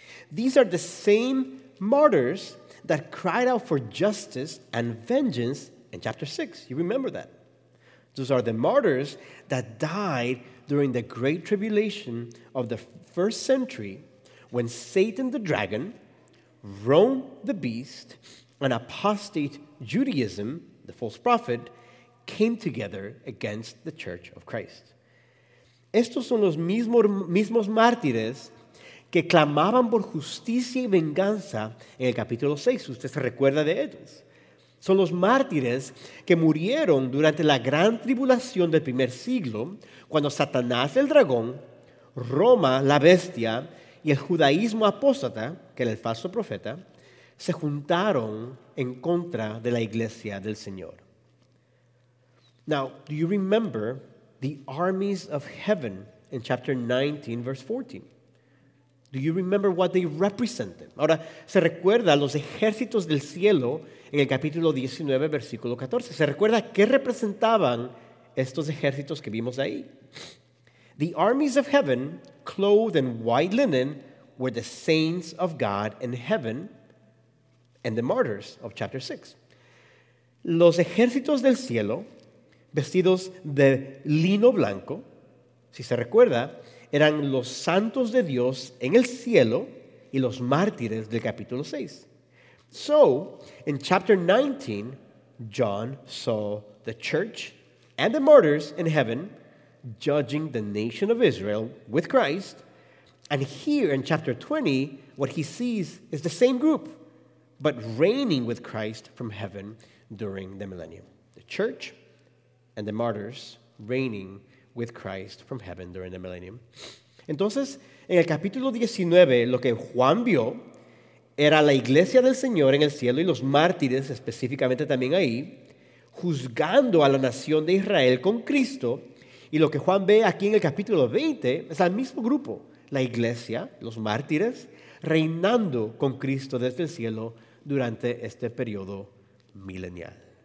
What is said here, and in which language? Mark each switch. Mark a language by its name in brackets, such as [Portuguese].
[English] These are the same martyrs that cried out for justice and vengeance in chapter 6. You remember that. Those are the martyrs that died during the great tribulation of the first century when Satan the dragon, Rome the beast, and apostate Judaism, the false prophet, came together against the church of Christ. [Spanish] Estos son los mismos mártires que clamaban por justicia y venganza en el capítulo 6. Usted se recuerda de ellos. Son los mártires que murieron durante la gran tribulación del primer siglo, cuando Satanás el dragón, Roma la bestia y el judaísmo apóstata, que era el falso profeta, se juntaron en contra de la iglesia del Señor. [English] Now, do you remember the armies of heaven in chapter 19, verse 14? Do you remember what they represented? [Spanish] Ahora, ¿se recuerda los ejércitos del cielo en el capítulo 19, versículo 14? ¿Se recuerda qué representaban estos ejércitos que vimos ahí? [English] The armies of heaven, clothed in white linen, were the saints of God in heaven and the martyrs of chapter 6. [Spanish] Los ejércitos del cielo, vestidos de lino blanco, si se recuerda, eran los santos de Dios en el cielo y los mártires del capítulo 6. [English] So, in chapter 19, John saw the church and the martyrs in heaven judging the nation of Israel with Christ. And here in chapter 20, what he sees is the same group, but reigning with Christ from heaven during the millennium. The church and the martyrs reigning with Christ from heaven during the millennium. [Spanish] Entonces, en el capítulo 19, lo que Juan vio era la iglesia del Señor en el cielo y los mártires específicamente también ahí, juzgando a la nación de Israel con Cristo. Y lo que Juan ve aquí en el capítulo 20 es al mismo grupo, la iglesia, los mártires, reinando con Cristo desde el cielo durante este periodo milenial.